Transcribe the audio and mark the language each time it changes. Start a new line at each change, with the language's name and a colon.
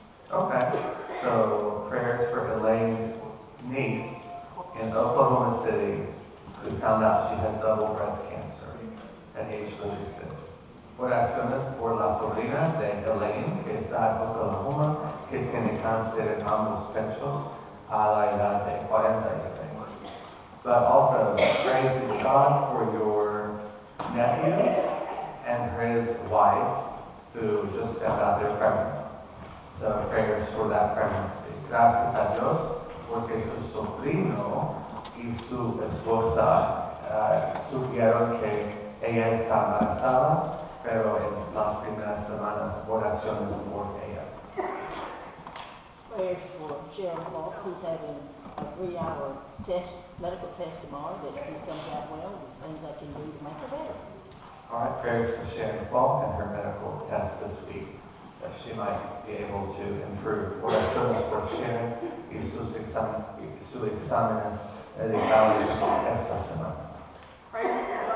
English: Okay, so prayers for Elaine's niece in Oklahoma City, who found out she has double breast cancer at age 36.
Spanish: Oraciones por la sobrina de Elaine, que está en Oklahoma, que tiene cáncer en ambos pechos a la edad de 46.
English: But also, praise be God for your nephew and his wife, who just found out they're pregnant. So prayers for that pregnancy.
Spanish: Gracias a Dios, porque su sobrino y su esposa supieron que ella está embarazada, pero en las primeras semanas, oraciones por ella.
English: Prayers for Jim, who's having a 3-hour test, medical test tomorrow, that if he comes out well, things I can do to make her better. All right, prayers for Shannon Falk and her medical test this week, that she might be able to improve.
Spanish: Oraciones por Shannon y su exámenes de salud esta semana.